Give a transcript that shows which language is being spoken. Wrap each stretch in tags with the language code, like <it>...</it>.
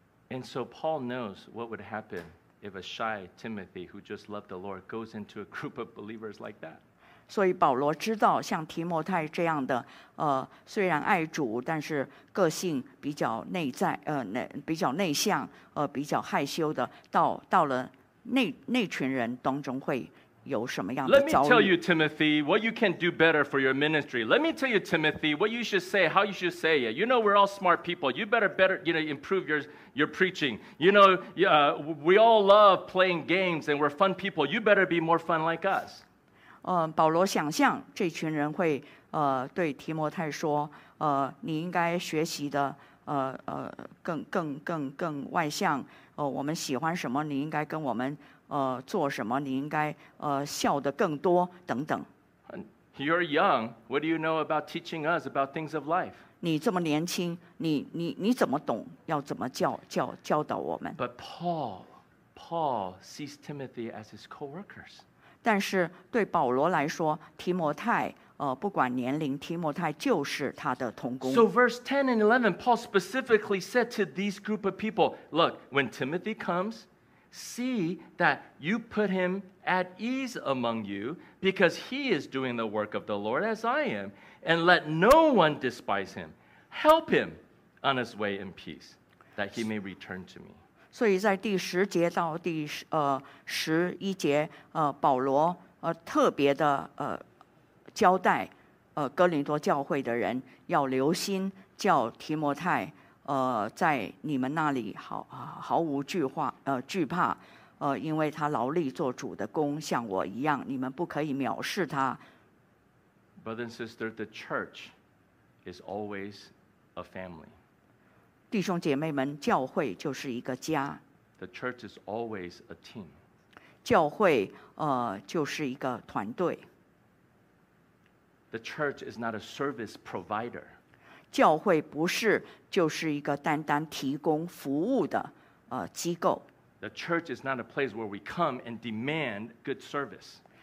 <en>And so Paul knows what would happen if a shy Timothy who just loved the Lord goes into a group of believers like that.</en> <zh>所以保罗知道像提摩太这样的虽然爱主但是个性比较内在比较内向比较害羞的到了那群人当中会有什么样的遭遇。</zh> <en>Let me tell you Timothy what you can do better for your ministry. Let me tell you Timothy what you should say, how you should say it. You know we're all smart people. You better you know, improve your preaching. You know, we all love playing games and we're fun people. You better be more fun like us.</en> <zh>保罗想象这群人会对提摩太说你应该学习的更外向我们喜欢什么你应该跟我们做什么你应该笑得更多等等。</zh> <en>You're young, what do you know about teaching us about things of life?</en> <zh>你这么年轻你怎么懂要怎么教导我们。</zh> <en>But Paul sees Timothy as his co-workers.</en> <zh>但是对保罗来说，提摩太不管年龄，提摩太就是他的同工。</zh> <en>So verse 10 and 11, Paul specifically said to these group of people, look, when Timothy comes, see that you put him at ease among you because he is doing the work of the Lord as I am, and let no one despise him. Help him on his way in peace that he may return to me.</en> <zh>所以在第十节到第十一节保罗特别的交代哥林多教会的人要留心叫提摩太在你们那里毫无惧怕因为他劳力做主的工像我一样你们不可以藐视他</zh> <en>Brother and sister, the church is always a family.</en> <zh>弟兄姐妹们教会就是一个家</zh> <en>The church is always a team.</en> <zh>教会就是一个团队</zh> <en>The church is not a service provider.</en> <zh>教会不是就是一个单单提供服务的机构。</zh> <en>The church is not a place where we come and demand good service.</en>